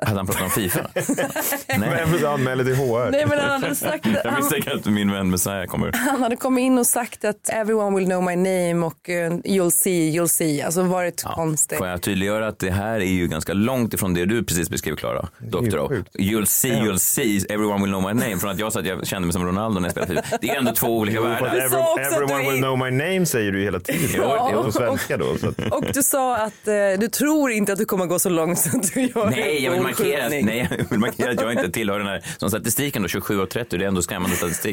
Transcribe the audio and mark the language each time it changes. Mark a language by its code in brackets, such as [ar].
[sv] Hade han pratat om FIFA? Nej. Vem vill anmäla till HR? Nej, men han hade sagt... Jag visste säkert att min vän Messiah kommer. Han hade kommit in och sagt att [en] everyone will know my name. [sv] Och [en] you'll see. [sv] Alltså varit konstigt. Får jag tydliggöra att det här är ju ganska långt ifrån det du precis beskrev, Clara. Doktor. [en] You'll see, everyone will know my name. [sv] Från att jag sa att jag kände mig som Ronaldo när jag spelade FIFA. Det är ändå två olika världar. [en] Everyone will know my name [sv] säger du hela tiden. Ja, det är på svenska då. Så. Och du sa att du tror inte att du kommer gå så långt som du gör. Nej, jag vill markera att jag inte tillhör den här som statistiken då. 27 och 30, det är ändå skrämmande statistik.